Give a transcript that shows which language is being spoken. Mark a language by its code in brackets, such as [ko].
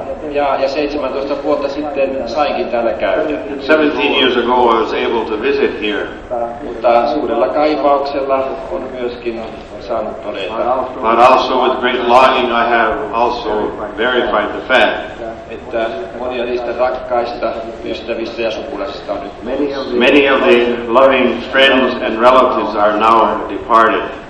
[fi] Ja 17 vuotta sitten sainkin täällä käydä. [en] 17 years ago I was able to visit here. [fi] Mutta suurella kaipauksella on myöskin saanut todeta. [en] But also with great longing I have also verified the fact. [fi] Että monia niistä rakkaista ystävistä ja sukulaisista on nyt. [en] Many of the loving friends and relatives are now departed.